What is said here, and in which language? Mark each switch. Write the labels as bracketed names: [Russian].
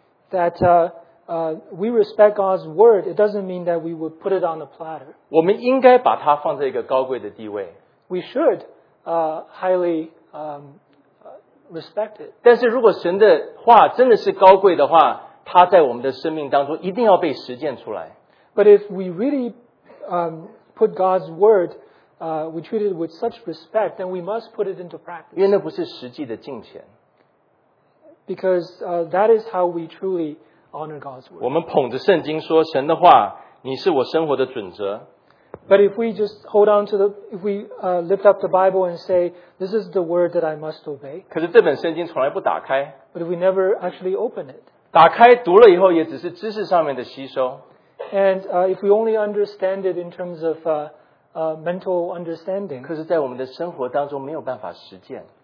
[English] That we respect God's word, it doesn't mean that we would put it on a platter. [Chinese] 我们应该把它放在一个高贵的地位。 [English] We should highly respect it. [Chinese] 但是如果神的话真的是高贵的话, 它在我们的生命当中一定要被实践出来。 [English] But if we really put God's word, we treat it with such respect, then we must put it into practice. [Chinese] 因为那不是实际的敬虔。 [English] Because that is how we truly honor God's word. [Chinese] 我们捧着圣经说神的话，你是我生活的准则。 [English] But if we just hold on to the, if we lift up the Bible and say, this is the word that I must obey. [Chinese] 可是这本圣经从来不打开。 [English] But if we never actually open it. [Chinese] 打开读了以后也只是知识上面的吸收。 [English] And if we only understand it in terms of mental understanding. [Chinese] 可是在我们的生活当中没有办法实践。